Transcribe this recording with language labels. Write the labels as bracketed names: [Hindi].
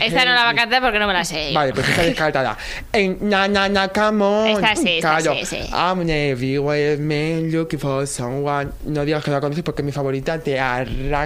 [Spanish] Esta no la va a cantar porque no me la sé. Vale, pues está descartada. En na na na come on. Esta sí, claro. Esta sí, sí. [English] I'm everywhere, man, looking for someone. [Spanish] No digas que la conoces porque mi favorita te arranca.